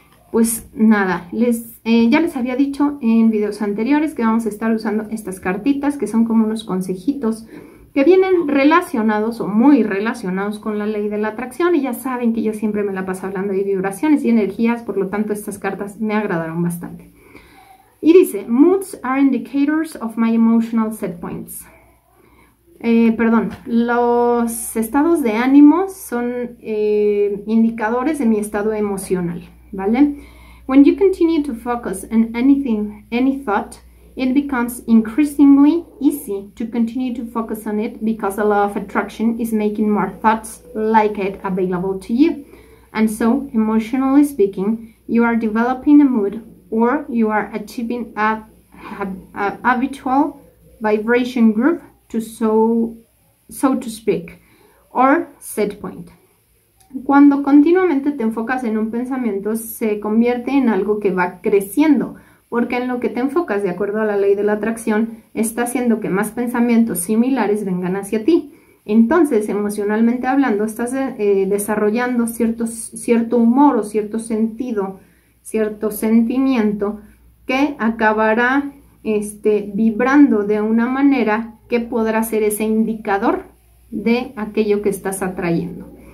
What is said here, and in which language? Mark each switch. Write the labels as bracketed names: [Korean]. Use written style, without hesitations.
[Spanish] Pues nada, ya les había dicho en videos anteriores que vamos a estar usando estas cartitas, que son como unos consejitos que vienen relacionados o muy relacionados con la ley de la atracción, y ya saben que yo siempre me la paso hablando de vibraciones y energías, por lo tanto estas cartas me agradaron bastante. Y dice, [English] moods are indicators of my emotional set points. [Spanish] Los estados de ánimo son indicadores de mi estado emocional. ¿Vale? [English] When you continue to focus on anything, any thought, it becomes increasingly easy to continue to focus on it because the law of attraction is making more thoughts like it available to you. And so, emotionally speaking, you are developing a mood or you are achieving a habitual vibration group to so to speak, or set point. [Spanish] Cuando continuamente te enfocas en un pensamiento, se convierte en algo que va creciendo, porque en lo que te enfocas, de acuerdo a la ley de la atracción, está haciendo que más pensamientos similares vengan hacia ti. Entonces, emocionalmente hablando, estás desarrollando cierto humor o cierto sentido, cierto sentimiento que acabará vibrando de una manera que podrá ser ese indicador de aquello que estás atrayendo.